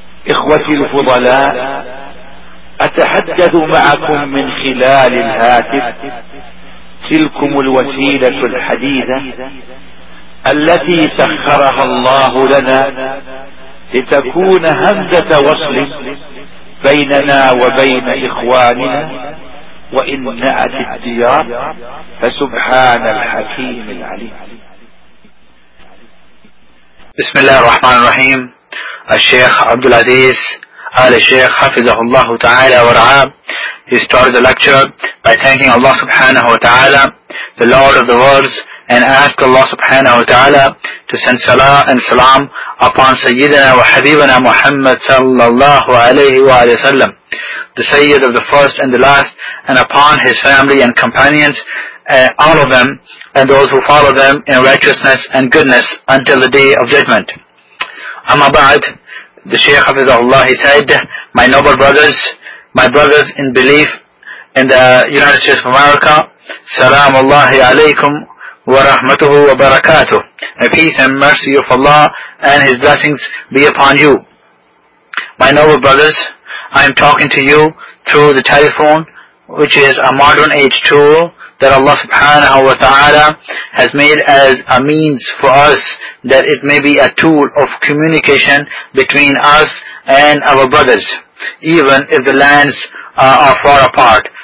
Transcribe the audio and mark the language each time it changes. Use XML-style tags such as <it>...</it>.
<ar>إخوتي الفضلاء، أتحدث معكم من خلال الهاتف، تلكم الوسيلة الحديثة التي سخرها الله لنا لتكون همزة وصل بيننا وبين إخواننا وإن نأت الديار فسبحان الحكيم العليم. بسم الله الرحمن الرحيم. الشيخ عبد العزيز آل الشيخ حفظه الله تعالى ورعاه.</ar> <en>He started the lecture by thanking Allah subhanahu wa ta'ala, the Lord of the worlds, and ask Allah subhanahu wa ta'ala to send salah and salam upon Sayyidina wa Habibana Muhammad sallallahu alayhi wa alayhi wa sallam, the Sayyid of the first and the last, and upon his family and companions, all of them, and those who follow them in righteousness and goodness until the day of judgment. Amma ba'd, the Shaykh of Allah, he said, my noble brothers, my brothers in belief in the United States of America,</en> <ar>سلام الله عليكم ورحمته وبركاته.</ar> <en>May peace and mercy of Allah and His blessings be upon you. My noble brothers, I am talking to you through the telephone, which is a modern age tool that Allah subhanahu wa ta'ala has made as a means for us, that it may be a tool of communication between us and our brothers, even if the lands are far apart.</en>